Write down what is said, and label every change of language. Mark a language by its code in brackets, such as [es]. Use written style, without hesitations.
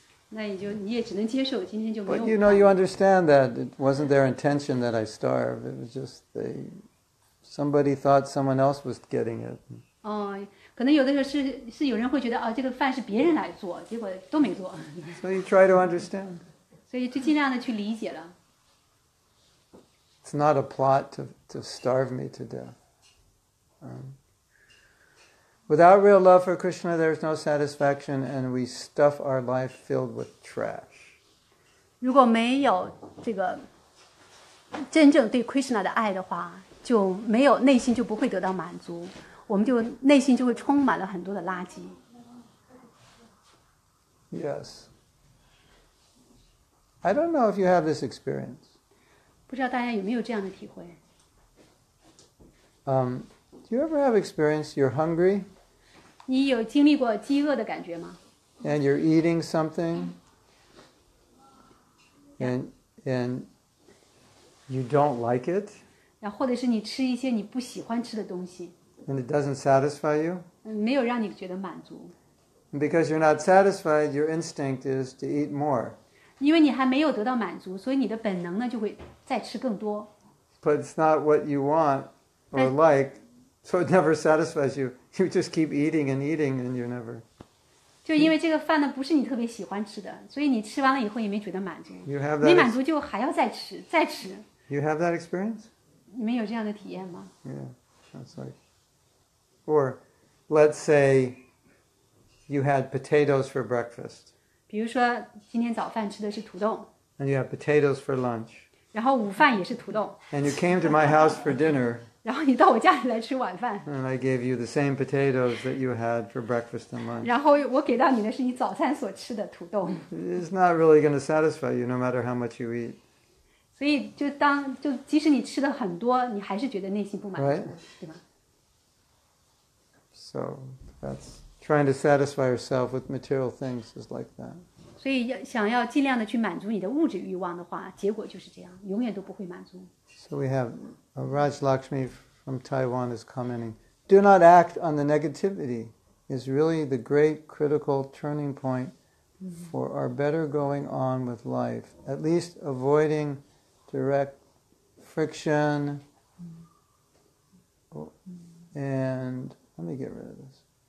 [zh] 那你就你也只能接受今天就没有。 [en] But you know, you understand that it wasn't their intention that I starve. It was just somebody thought someone else was getting it. Oh. [zh] 可能有的时候 是有人会觉得、哦、这个饭是别人来做结果都没做。 [en] So you try to understand. [zh] 所以就尽量的去理解了。 [en] It's not a plot to starve me to death. Without real love for Krishna, there's no satisfaction and we stuff our life filled with trash. [zh] 如果没有这个真正对 Krishna 的爱的话就没有内心就不会得到满足。我们就内心就会充满了很多的垃圾。 [en] Yes. I don't know if you have this experience. [zh] 不知道大家有没有这样的体会。 [en] Do you ever have experience you're hungry? [zh] 你有经历过饥饿的感觉吗？ [en] And you're eating something. And you don't like it. [zh] 然后或者是你吃一些你不喜欢吃的东西。 [en] And it doesn't satisfy you? [zh] 没有让你觉得满足。 [en] Because you're not satisfied, your instinct is to eat more. [zh] 因为你还没有得到满足，所以你的本能呢，就会再吃更多。 [en] But it's not what you want or like, so it never satisfies you. You just keep eating and eating and you're never... [zh] 就因为这个饭呢，不是你特别喜欢吃的，所以你吃完了以后也没觉得满足。 [en] You have that [zh] 没满足就还要再吃，再吃。 [en] You have that experience? [zh] 你们有这样的体验吗？ [en] Yeah, that's like... Or, let's say, you had potatoes for breakfast. [zh] 比如说今天早饭吃的是土豆。 [en] And you have potatoes for lunch. [zh] 然后午饭也是土豆。 [en] And you came to my house for dinner. [zh] 然后你到我家里来吃晚饭。 [en] And I gave you the same potatoes that you had for breakfast and lunch. [zh] 然后我给到你的是你早餐所吃的土豆。 [en] It's not really going to satisfy you, no matter how much you eat. [zh] 所以就即使你吃的很多，你还是觉得内心不满足， [en] right? [zh] 对吧？ [en] So that's trying to satisfy yourself with material things is like that. [zh] 所以想要尽量的去满足你的物质欲望的话，结果就是这样，永远都不会满足。 [en] So we have Raj Lakshmi from Taiwan is commenting. Do not act on the negativity is really the great critical turning point for our better going on with life. At least avoiding direct friction and... Let me get rid of this.